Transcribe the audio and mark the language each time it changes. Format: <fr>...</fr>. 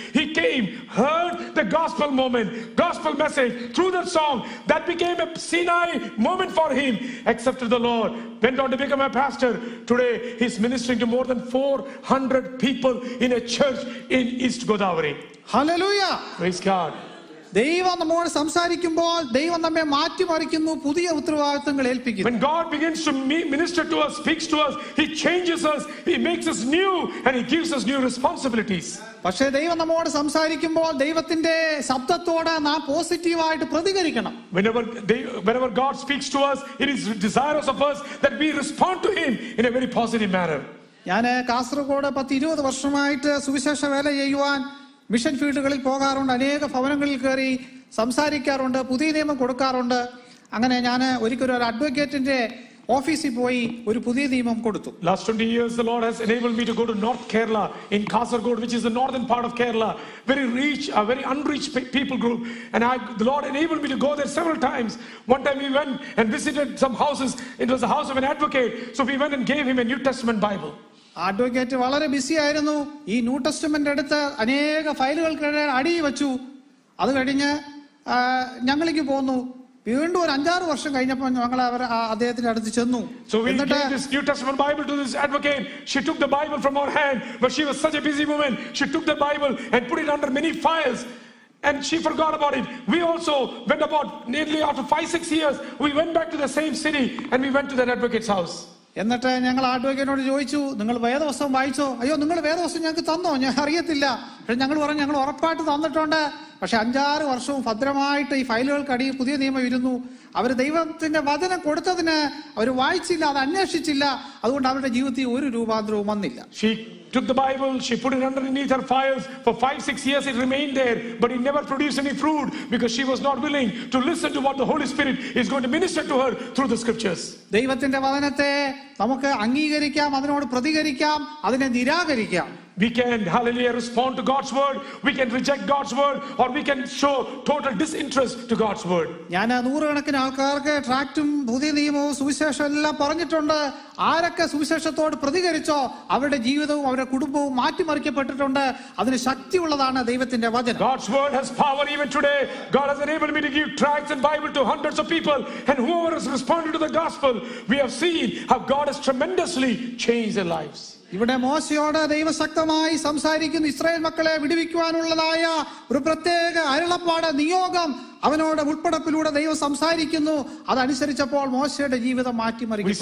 <en>He came, heard the gospel moment, gospel message through that song. That became a Sinai moment for him. Accepted the Lord, went on to become a pastor. Today he is ministering to more than 400 people in a church in East Godavari. Hallelujah. Praise God.</en> <ml>ദൈവം നമ്മോട് സംസാരിക്കുമ്പോൾ ദൈവം നമ്മെ മാറ്റിമറിക്കുന്നു, പുതിയ ഉത്തരവാദിത്തങ്ങൾ ഏൽപ്പിക്കുന്നു.</ml> <en>When God begins to minister to us, speaks to us, he changes us, he makes us new and he gives us new responsibilities.</en> <ml>പക്ഷേ ദൈവം നമ്മോട് സംസാരിക്കുമ്പോൾ ദൈവത്തിന്റെ ശബ്ദത്തോട് നാം പോസിറ്റീവ് ആയിട്ട് പ്രതികരിക്കണം.</ml> <en>Whenever God speaks to us, it is desirous of us that we respond to him in a very positive manner.</en> <ml>ഞാൻ കാസർഗോഡ് 10-20 വർഷമായിട്ട് സുവിശേഷ വേല ചെയ്യുവാൻ മിഷൻ ഫീൽഡുകളിൽ പോകാറുണ്ട്. അനേക ഭവനങ്ങളിൽ കയറി സംസാരിക്കാറുണ്ട്, പുതിയ നിയമം കൊടുക്കാറുണ്ട്. അങ്ങനെ ഞാൻ ഒരിക്കലും ഒരു അഡ്വക്കേറ്റിന്റെ ഓഫീസിൽ പോയി ഒരു പുതിയ നിയമം കൊടുത്തു.</ml> <en>Last 20 years the Lord has enabled me to go to North Kerala in Kasaragod, which is the northern part of Kerala, very unreached people group, and the Lord enabled me to go there several times. One time we went and visited some houses. It was the house of an advocate, so we went and gave him a New Testament Bible.</en> <ml>Advocate വളരെ BC ആയിരുന്നു. ഈ new testament എടുത്ത് അനേക ഫയലുകൾക്കിടയിൽ അടിയിൽ വെച്ചു. അത് കഴിഞ്ഞ് ഞങ്ങളിലേക്ക് പോന്നു. വീണ്ടും ഒരു 5-6 വർഷം കഴിഞ്ഞപ്പോൾ ഞങ്ങൾ അവർ അദ്ദേഹത്തിന്റെ അടുത്ത് ചെന്നു.</ml> <en>So we gave this New Testament Bible to this advocate. She took the Bible from our hand, but she was such a busy woman. She took the Bible and put it under many files. And she forgot about it. We also went about nearly after 5-6 years, we went back to the same city and we went to that advocate's house.</en> <ml>എന്നിട്ട് ഞങ്ങൾ ആഡ്വക്കേറ്റിനോട് ചോദിച്ചു, നിങ്ങൾ വേദവസ്തു വായിച്ചോ? അയ്യോ, നിങ്ങൾ വേദവസ്തു ഞങ്ങൾക്ക് തന്നോ? ഞാൻ അറിയത്തില്ല. പക്ഷെ ഞങ്ങൾ പറഞ്ഞു ഞങ്ങൾ ഉറപ്പായിട്ട് തന്നിട്ടുണ്ട്. പക്ഷെ 5-6 വർഷവും ഭദ്രമായിട്ട് ഈ ഫയലുകൾക്കടി പുതിയ നിയമം ഇരുന്നു. അവർ ദൈവത്തിന്റെ വചനം കൊടുത്തതിന് അവർ വായിച്ചില്ല, അത് അന്വേഷിച്ചില്ല. അതുകൊണ്ട് അവരുടെ ജീവിതത്തിൽ ഒരു രൂപാന്തരവും വന്നില്ല.</ml> <en>Took the Bible, she put it underneath her files. For 5-6 years it remained there, but it never produced any fruit because she was not willing to listen to what the Holy Spirit is going to minister to her through the scriptures.</en> <ml>ദൈവത്തിന്റെ വചനത്തെ നമുക്ക് അംഗീകരിക്കാം, അതിനോട് പ്രതികരിക്കാം, അതിനെ നിരാകരിക്കാം.</ml> <en>We can, hallelujah, respond to God's word. We can reject God's word, or we can show total disinterest to God's word.</en> <ml>ഞാൻ നൂറുകണക്കിന് ആൾക്കാർക്ക് ട്രാക്റ്റും പുതിയ നിയമവും സുവിശേഷവും എല്ലാം പറഞ്ഞിട്ടുണ്ട്. ആരൊക്കെ സുവിശേഷത്തോട് പ്രതികരിച്ചോ അവരുടെ ജീവിതവും അവരുടെ കുടുംബവും മാറ്റിമറിക്കപ്പെട്ടിട്ടുണ്ട്. അതിന് ശക്തിയുള്ളതാണ് ദൈവത്തിന്റെ വചനം.</ml> <en>God's word has power even today. God has enabled me to give tracts and Bible to hundreds of people, and whoever has responded to the gospel, we have seen how God has tremendously changed their lives.</en> <ml>ഇവിടെ മോശയോട് ദൈവശക്തമായി സംസാരിക്കുന്ന Israel മക്കളെ വിടുവിക്കുവാനുള്ളതായ ഒരു പ്രത്യേക അരുളപ്പാട് നിയോഗം അവനോട് ഉൾപ്പെടപ്പിലൂടെ ദൈവം സംസാരിക്കുന്നു. അതനുസരിച്ചപ്പോൾ മോശയുടെ ജീവിതം മാറ്റിമറിക്കുന്നു.</ml>